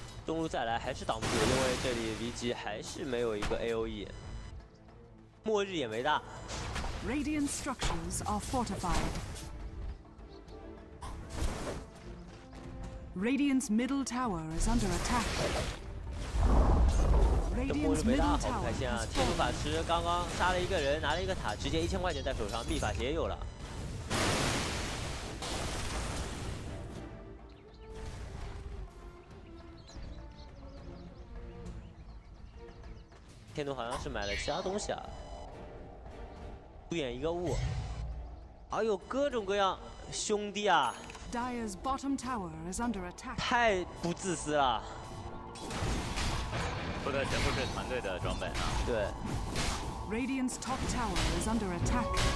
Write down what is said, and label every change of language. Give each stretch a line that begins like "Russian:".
Chinese: 中路再来还是挡不住，因为这里离级还是没有一个 AOE， 末日也没大。
English: Radiant structures are fortified. Radiant's middle tower is under attack. Radiant's middle tower.
Chinese: 好不开心啊！天怒法师刚刚杀了一个人，拿了一个塔，直接1000块钱在手上，秘法也有了。天奴好像是买了其他东西啊，独眼一个雾，哎呦，各种各样兄弟啊！
English: Dire's bottom tower is under attack.
Chinese: 太不自私了。说的全部是团队的装备啊。对。
English: Radiant's top tower is under attack.